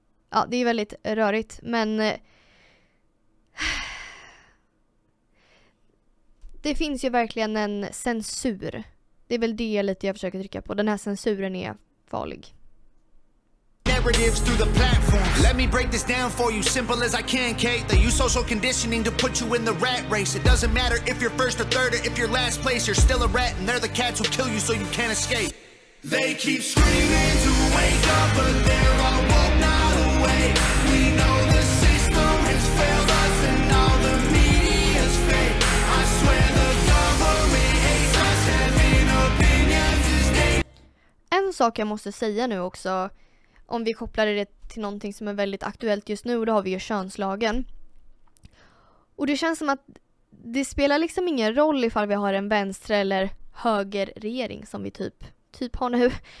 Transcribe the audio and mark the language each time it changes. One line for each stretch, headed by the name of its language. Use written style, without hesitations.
Swedish: Ja, det är väldigt rörigt, men det finns ju verkligen en censur. Det är väl det lite jag försöker trycka på. Den här censuren är farlig.
English: Narratives through the platforms. Let me break this down for you, simple as I can, Kate. They use social conditioning to put you in the rat race. It doesn't matter if you're first or third or if you're last place. You're still a rat and they're the cats who kill you so you can't escape. They keep screaming to wake up, but they're all woke now. We know the system has failed us and all the media's fake. I swear the government hates us, having opinions is dangerous.
Swedish: En sak jag måste säga nu också, om vi kopplar det till någonting som är väldigt aktuellt just nu, då har vi ju könslagen. Och det känns som att det spelar liksom ingen roll ifall vi har en vänster- eller högerregering som vi typ har nu.